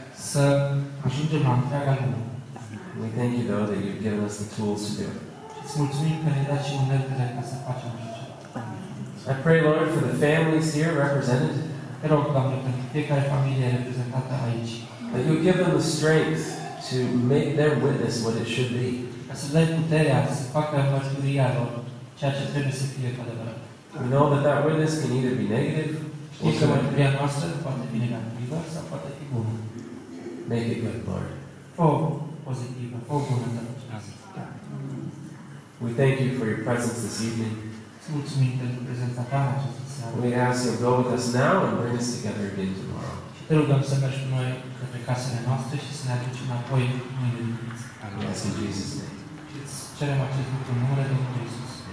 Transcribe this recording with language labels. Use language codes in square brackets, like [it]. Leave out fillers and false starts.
[ro] Să ajungem la întreaga lume. [en] We thank you, though, that you've given us the tools to do it. [ro] Îți mulțumim că ne-ai dat și momentele ca să facem așa ceva. [en] I pray, Lord, for the families here represented. [ro] Te rog, Doamne, pentru fiecare familie reprezentată aici. [en] That you give them the strength to make their witness what it should be. [ro] Ca să dai puterea să facă mărturia lor. Ceea ce trebuie să fie cu adevărat. [en] We know that witness can either be negative. [ro] Știi că mărturia noastră poate fi negativă sau poate fi bună. [en] Make it good, Lord. [ro] O pozitivă, o bună. [en] We thank you for your presence this evening. [ro] Mulțumim pentru prezența ta în această seară. [en] We ask you to go with us now and bring us together again tomorrow. [ro] Te rugăm să mergi cu noi către casele noastre și să ne aduci înapoi mâine dimineață. [en] We ask in Jesus' name. [ro] Îți cerem acest lucru în numele Domnului Iisus.